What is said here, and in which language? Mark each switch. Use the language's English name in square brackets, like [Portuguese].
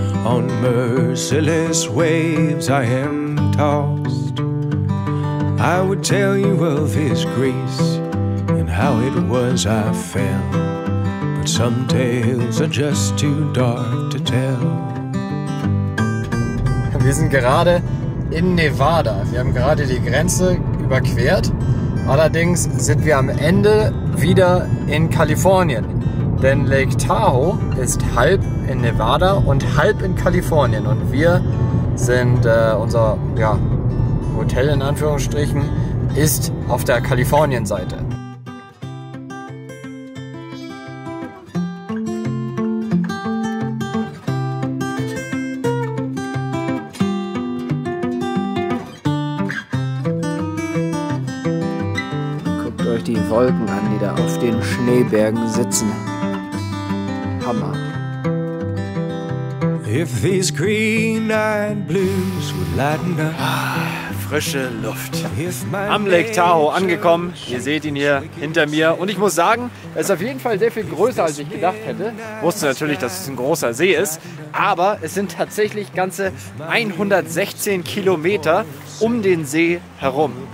[English] On merciless waves I am tossed. I would tell you of his grace and how it was I fell. But some tales are just too dark to tell. [German] Wir sind gerade in Nevada. Wir haben gerade die Grenze überquert. Allerdings sind wir am Ende wieder in Kalifornien. Denn Lake Tahoe ist halb in Nevada und halb in Kalifornien. Und wir sind, unser ja, Hotel in Anführungsstrichen, ist auf der Kalifornienseite. Wolken an, die da auf den Schneebergen sitzen. Hammer. [English] If these green eyed blues would lighten up. [German] Frische Luft. Am Lake Tahoe angekommen. Ihr seht ihn hier hinter mir. Und ich muss sagen, er ist auf jeden Fall sehr viel größer, als ich gedacht hätte. Wusste natürlich, dass es ein großer See ist. Aber es sind tatsächlich ganze 116 Kilometer um den See herum.